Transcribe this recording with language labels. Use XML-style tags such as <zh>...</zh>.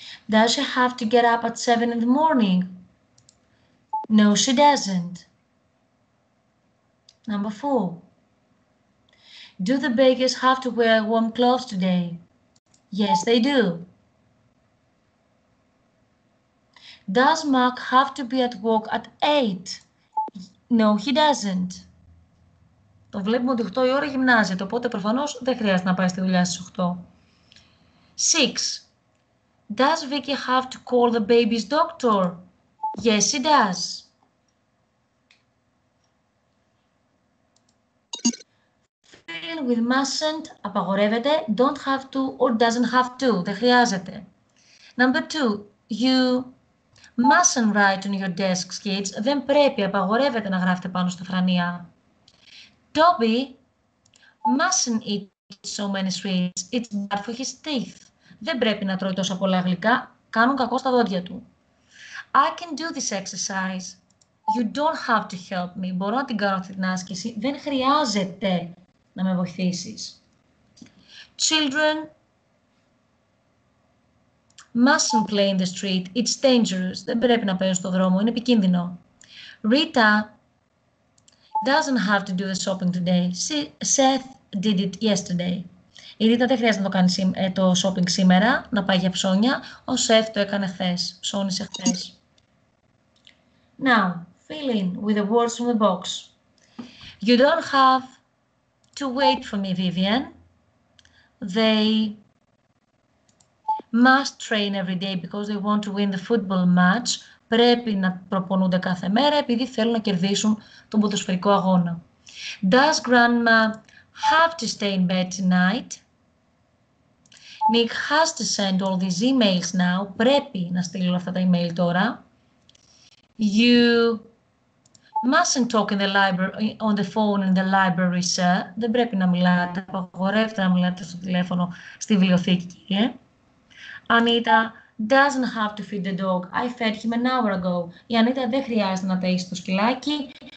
<en>Does she have to get up at 7 in the morning? No, she doesn't. Number four. Do the bakers have to wear warm clothes today? Yes, they do. Does Mark have to be at work at 8? No, he doesn't.</en> <el>Το βλέπουμε ότι 8 η ώρα γυμνάζεται, οπότε προφανώς δεν χρειάζεται να πάει στη δουλειά στις 8.</el> <en>6. Does Vicky have to call the baby's doctor? Yes, he does. 3. With mustn't,</en> <el>απαγορεύεται,</el> <en>don't have to or doesn't have to,</en> <el>δεν χρειάζεται.</el> <en>Number 2. You mustn't write on your desk, kids.</en> <el>Δεν πρέπει, απαγορεύεται να γράφετε πάνω στα φρανία.</el> <en>Toby mustn't eat so many sweets. It's bad for his teeth.</en> <el>Δεν πρέπει να τρώει τόσα πολλά γλυκά. Κάνουν κακό στα δόντια του.</el> <en>I can do this exercise. You don't have to help me.</en> <el>Μπορώ να την κάνω αυτή την άσκηση. Δεν χρειάζεται να με βοηθήσεις.</el> <en>Children mustn't play in the street. It's dangerous.</en> <el>Δεν πρέπει να παίρνουν στο δρόμο. Είναι επικίνδυνο.</el> <en>Rita doesn't have to do the shopping today. Seth did it yesterday.</en> <el>Η Ρίτα δεν χρειάζεται να το κάνει το shopping σήμερα, να πάει για ψώνια. Ο Seth το έκανε χθες. Ψώνησε χθες.</el> <en>Now, fill in with the words from the box. You don't have to wait for me, Vivian. They must train every day because they want to win the football match.</en> <el>Πρέπει να προπονούνται κάθε μέρα επειδή θέλουν να κερδίσουν τον ποδοσφαιρικό αγώνα.</el> <en>Does grandma have to stay in bed tonight? Nick has to send all these emails now.</en> <el>Πρέπει να στείλει αυτά τα email τώρα.</el> <en>You mustn't talk in the library, on the phone in the library, sir.</en> <el>Δεν πρέπει να μιλάτε. Απαγορεύεται να μιλάτε στο τηλέφωνο στη βιβλιοθήκη, κύριε.</el> <en>Anita doesn't have to feed the dog. I fed him an hour ago.</en> <el>Η Ανίτα δεν χρειάζεται να ταΐσει το σκυλάκι.</el>